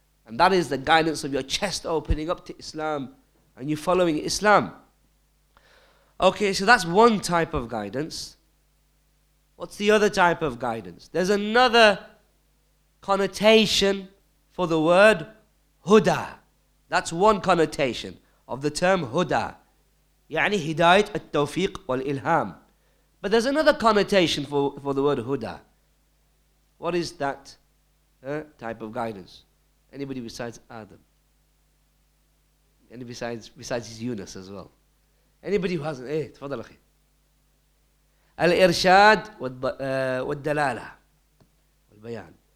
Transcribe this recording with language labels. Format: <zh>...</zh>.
<en>And that is the guidance of your chest opening up to Islam and you following Islam. Okay, so that's one type of guidance. What's the other type of guidance? There's another connotation for the word huda. That's one connotation of the term huda.</en> <ar>يعني هداية التوفيق والإلهام.</ar> <en>But there's another connotation for the word huda. What is that type of guidance? Anybody besides Adam? Anybody besides Yunus as well? Anybody who hasn't?</en> <ar>تفضل أخي. Al-irshad wa-dalala wa-bayan.</ar>